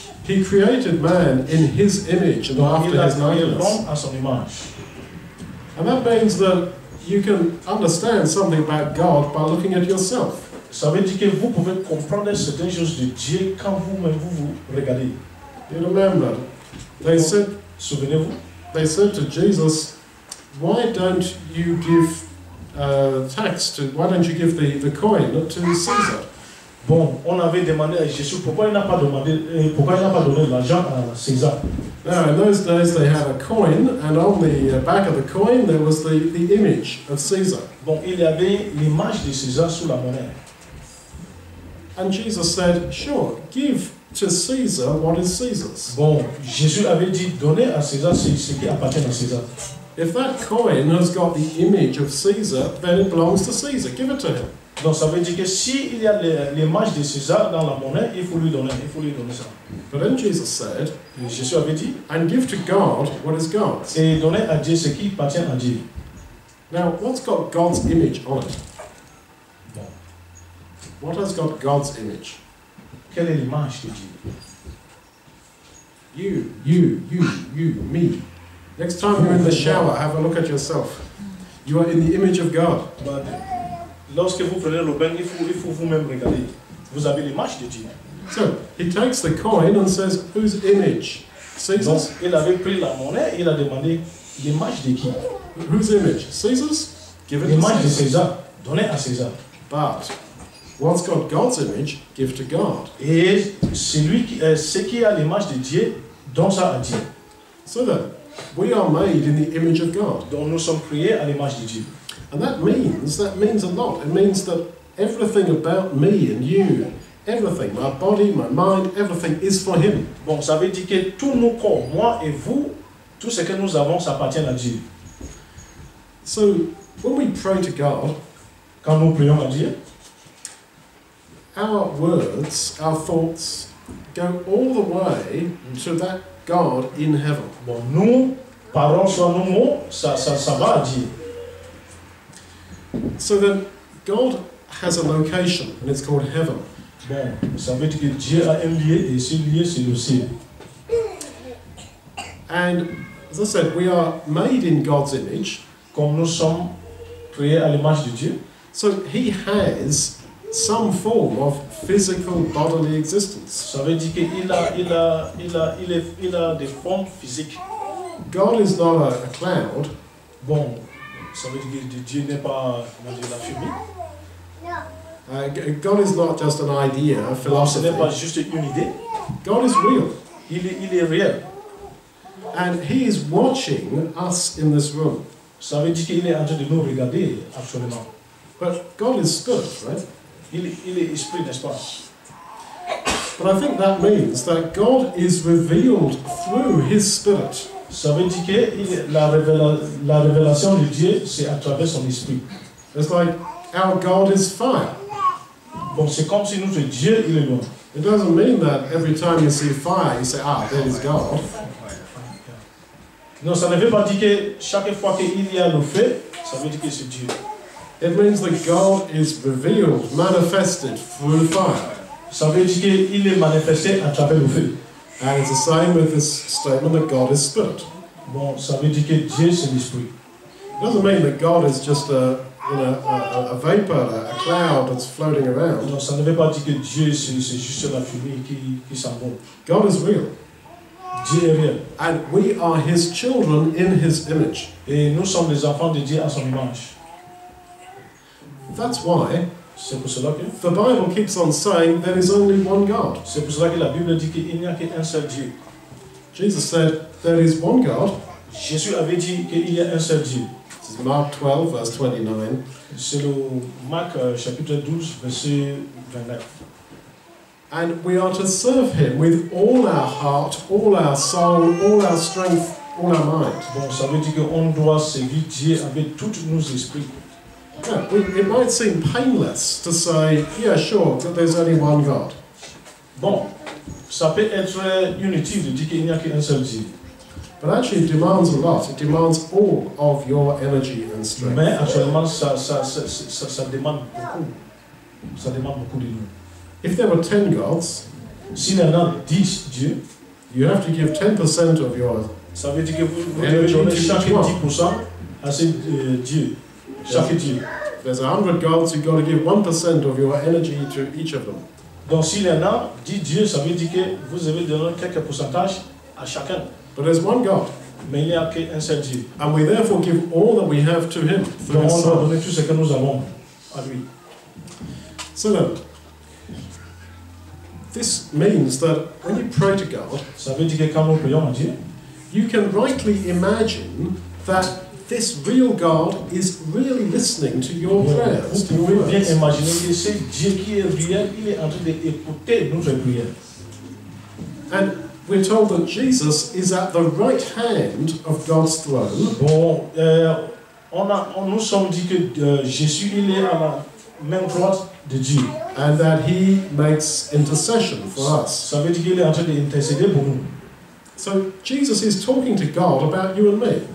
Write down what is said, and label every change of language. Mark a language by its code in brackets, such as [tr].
[en] He created man in his image and after his likeness. [fr] À son image. [en] And that means that you can understand something about God by looking at yourself. [fr] Ça veut dire que vous pouvez comprendre certaines choses de Dieu quand vous-même vous vous regardez. [en] You remember, they said, [fr] souvenez-vous, [en] they said to Jesus, why don't you give tax to, why don't you give the coin to Caesar? [fr] Bon, on avait demandé à Jésus pourquoi il n'a pas demandé, pourquoi il n'a pas donné l'argent à César. [en] Now, in those days, they had a coin, and on the back of the coin, there was the image of Caesar. [fr] Bon, il y avait l'image de César sous la monnaie. [en] And Jesus said, sure, give to Caesar what is Caesar's. [fr] Bon, Jésus avait dit, donnez à César ce qui appartient à César. [en] If that coin has got the image of Caesar, then it belongs to Caesar. Give it to him. [fr] Donc ça veut dire que s'il y a l'image de César dans la monnaie, il faut lui donner ça. [en] But then Jesus said, [fr] Jésus avait dit, [en] and give to God what is God's. [fr] Et donner à Dieu ce qui appartient à Dieu. [en] Now, what's got God's image on it? [fr] Bon. [en] What has got God's image? [fr] Quelle est l'image de Dieu? [en] You, me. Next time you're in the shower, have a look at yourself. You are in the image of God. But, [fr] lorsque vous prenez le bain, il faut vous-même regarder. Vous avez l'image de Dieu. [en] So, he takes the coin and says, whose image? Caesar's? [fr] Donc, il avait pris la monnaie et il a demandé l'image de qui? [en] Whose image? Caesar's? Give it [fr] l'image [en] to Caesar. [fr] De César. Donnez à César. [en] But, what's got God's image, give to God. [fr] Et celui qui, ce qui a l'image de Dieu, donne ça à Dieu. [en] So then, we are made in the image of God. [fr] Donc nous sommes créés à l'image de Dieu. [en] And that means a lot. It means that everything about me and you, everything, my body, my mind, everything is for him. [fr] Bon, ça veut dire que tout nos corps, moi et vous, tout ce que nous avons, ça appartient à Dieu. [en] So, when we pray to God, [fr] quand nous prions à Dieu, [en] our words, our thoughts, go all the way to that God in heaven. [fr] Bon, nous, parlons sur nos mots, ça va à Dieu. [en] So then, God has a location, and it's called heaven. [fr] Bon, ça veut dire que Dieu a un lieu, et ce lieu, c'est le ciel. [en] And, as I said, we are made in God's image. [fr] Comme nous sommes créés à l'image de Dieu. [en] So, he has some form of physical bodily existence. [fr] Ça veut dire qu'il a, il a, il a, il a, il a des formes physiques. [en] God is not a cloud. [fr] Bon. Ça veut dire que Dieu n'est pas, comment dire, la fumée. [en] God is not just an idea, a philosophy. [fr] Ce n'est pas juste une idée. [en] God is real. [fr] Il est réel. [en] And he is watching us in this room. [fr] Ça veut dire qu'il est en train de nous regarder, absolument. [en] But God is spirit, right? [fr] Il est esprit, n'est-ce pas? [en] But I think that means that God is revealed through his spirit. [fr] Ça veut dire que la révélation de Dieu, c'est à travers son esprit. [en] It's like, our God is fire. [fr] Bon, c'est comme si notre Dieu, il est loin. [en] It doesn't mean that every time you see fire, you say, ah, there is God. [fr] Non, ça ne veut pas dire que chaque fois qu'il y a le feu, ça veut dire que c'est Dieu. [en] It means that God is revealed, manifested through fire. [fr] Ça veut dire qu'il est manifesté à travers le feu. [en] And it's the same with this statement that God is spirit. [fr] Bon, ça veut dire que Dieu c'est l'esprit. [en] It doesn't mean that God is just a vapor, a cloud that's floating around. [fr] Non, ça ne veut pas dire que Dieu c'est juste la fumée qui s'envole. [en] God is real. [fr] Dieu est réel. [en] And we are his children in his image. [fr] Et nous sommes les enfants de Dieu à son image. [en] That's why. [fr] C'est pour cela que [en] the Bible keeps on saying there is only one God. [fr] C'est pour cela que la Bible dit qu'il n'y a qu'un seul Dieu. [en] Jesus said there is one God. [fr] Jésus avait dit qu'il y a un seul Dieu. [en] This is Mark 12, verse 29. [fr] C'est le Marc chapitre 12, verset 29. [en] And we are to serve him with all our heart, all our soul, all our strength, all our mind. [fr] Bon, ça veut dire qu'on doit servir Dieu avec tous nos esprits. [en] Yeah, it might seem painless to say, yeah, sure, that there's only one God. [fr] Bon, ça peut être inutile de dire qu'il n'y a qu'un seul Dieu. [en] But actually, it demands a lot. It demands all of your energy and strength. [fr] Mais actuellement, ça demande beaucoup. Ça demande beaucoup de nous. [en] If there were 10 gods, [fr] s'il y en a 10 dieux, [en] you have to give 10% of your energy. [fr] Ça veut dire que vous devez donner chaque 10% à ces dieux. chaque-t-il? [en] There's 100 girls, you've got to give 1% of your energy to each of them. [fr] Donc s'il y en a, dit Dieu, ça veut dire que vous avez donné quelques pourcentages à chacun. [en] But there's one God. [fr] Mais il n'y a qu'un seul Dieu. [en] And we therefore give all that we have to him. [fr] Donc on doit donner tout ce que nous avons à lui. [en] So then, this means that when you pray to God, [fr] ça veut dire que quand nous prions à Dieu, [en] you can rightly imagine that this real God is really listening to your prayers. [fr] Vous pouvez bien imaginer que c'est Dieu qui est réel, il est en train d'écouter nos prières. [en] And we're told that Jesus is at the right hand of God's throne. [fr] Bon, on nous sommes dit que Jésus il est à la main droite de Dieu. [en] And that he makes intercession for us. [fr] Ça veut dire qu'il est en train d'intercéder pour nous. [en] So Jesus is talking to God about you and me.